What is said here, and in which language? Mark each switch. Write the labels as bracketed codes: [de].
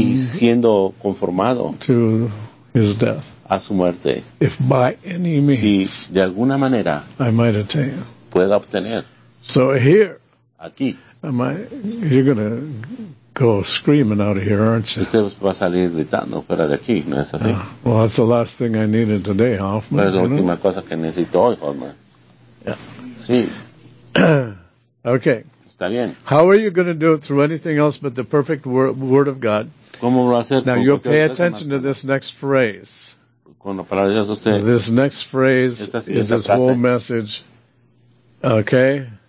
[es] Y siendo conformado. [en] To his death. [es] A su muerte. [en] If by any means, [es] si de alguna manera [en] I might attain. [es] Pueda obtener. [en] So here, [es] aquí, [en] you're gonna go screaming out of here, aren't you? [es] Usted va a salir gritando fuera de aquí, ¿no es así? [en] Well, that's the last thing I needed today, Hoffman. [es] Pero es la última cosa que necesito hoy, Hoffman. [en] Yeah. [es] Sí. [en] Okay. [es] Está bien. [en] How are you gonna do it through anything else but the perfect word of God? [es] ¿Cómo lo hace? [en] Now you'll pay attention to this next phrase. [es] Usted, [en] this next phrase is this [es] frase. [en] Whole message. Okay?